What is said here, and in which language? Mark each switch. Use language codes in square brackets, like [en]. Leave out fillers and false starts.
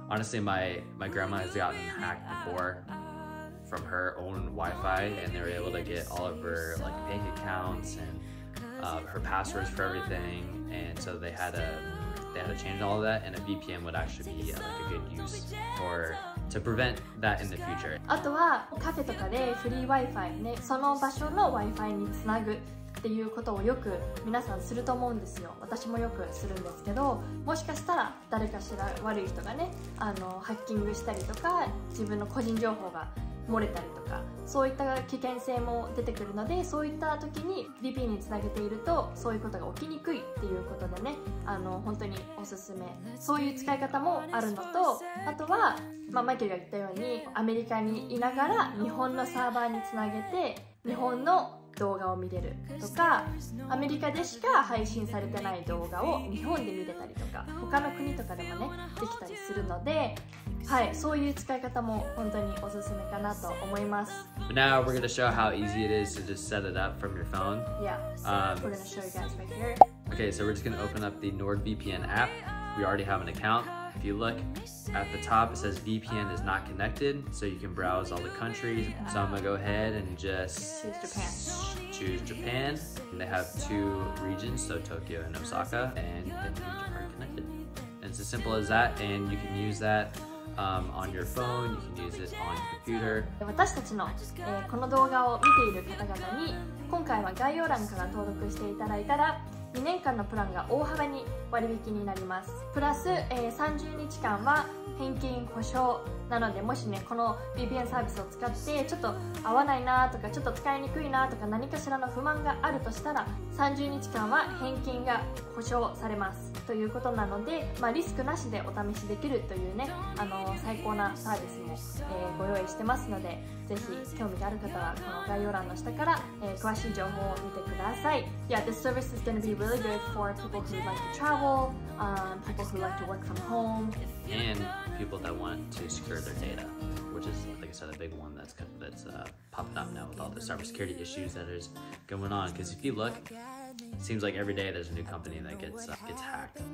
[en] Honestly, my grandma has gotten hacked before from her own Wi-Fi, and they were able to get all of her like bank accounts and her passwords for everything. And so they had to change all of that, and a VPN would actually be like a good use for to prevent that in the future. [ja] あとはカフェとかでフリー Wi-Fi ね、その場所の Wi-Fi につなぐっていうことをよく皆さんすると思うんですよ。私もよくするんですけど、もしかしたら誰かしら悪い人がね、ハッキングしたりとか、自分の個人情報が漏れたりとか、そういった危険性も出てくるので、そういった時に VPN につなげているとそういうことが起きにくいっていうことでね、本当におすすめ、そういう使い方もあるのと、あとは、まあ、マイケルが言ったようにアメリカにいながら日本のサーバーにつなげて日本の動画を見れるとか、アメリカでしか配信されてない動画を日本で見れたりとか、他の国とかでもねできたりするので、はい、そういう使い方も本当におすすめかなと思います。 [en] But now we're going to show how easy it is to just set it up from your phone. Yeah, so we're going to show you guys right here. Okay, so we're just going to open up the NordVPN app. We already have an account. If you look at the top, it says VPN is not connected, so you can browse all the countries. So I'm going to go ahead and just choose Japan. And they have two regions, so Tokyo and Osaka, and then you are connected. And it's as simple as that, and you can use thaton your phone, you can use it on your computer. [ja] 私たちの、この動画を見ている方々に、今回は概要欄から登録していただいたら2年間のプランが大幅に割引になります。プラス、30日間は返金保証なので、もしねこの VPN サービスを使ってちょっと合わないなとか、ちょっと使いにくいなとか、何かしらの不満があるとしたら、30日間は返金が保証されますということなので、まあ、リスクなしでお試しできるというね、最高なサービスも、ご用意してますので、ぜひ興味がある方はこの概要欄の下から、詳しい情報を見てください。 [en] Yeah, this service is gonna be really good for people who like to travel, people who like to work from home And people that want to secure their data, which is, like I said, a big one that's popping up now with all the cybersecurity issues that is going on. Because if you look, it seems like every day there's a new company that gets hacked.